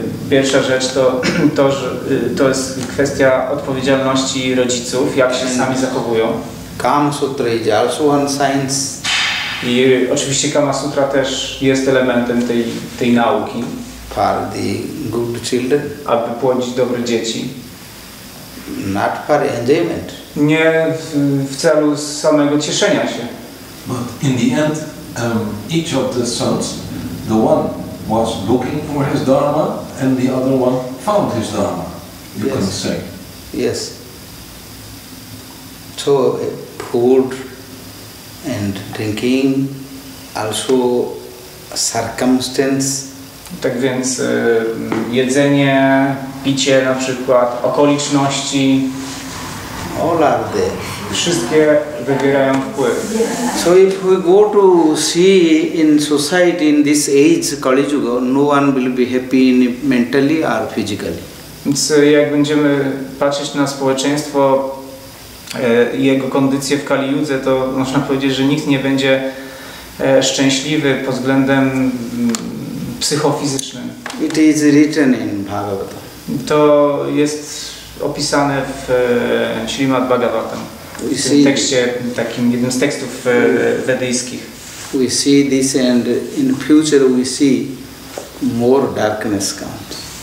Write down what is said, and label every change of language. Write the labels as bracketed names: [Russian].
[Polish] Pierwsza rzecz to jest kwestia odpowiedzialności rodziców, jak się sami zachowują. [English] Kama Sutra is also one science. [Polish] I oczywiście Kama Sutra też jest elementem tej nauki. [English] For the good children. [Polish] Aby płodzić dobre dzieci. [English] Not for enjoyment. [Polish] Nie w celu samego cieszenia się. [English] But in the end, each of the sons, the one was looking for his dharma, and the other one found his dharma, you can say. Yes. So food and drinking, also circumstance. [Polish] Tak więc jedzenie, picie na przykład, okoliczności. [English] All are there. [Polish] Wszystkie wybierają wpływ. [English] So if we go to see in society in this age, Kali Yuga, no one will be happy mentally or physically. [Polish] Więc jak będziemy patrzeć na społeczeństwo i jego kondycję w Kali Yudze, to można powiedzieć, że nikt nie będzie szczęśliwy pod względem psychofizycznym. [English] It is written in Bhagavata. [Polish] To jest opisane w Śrimad Bhagavatam, w tym tekście, takim jednym z tekstów wedyjskich. [English] We see this and in future we see more darkness comes.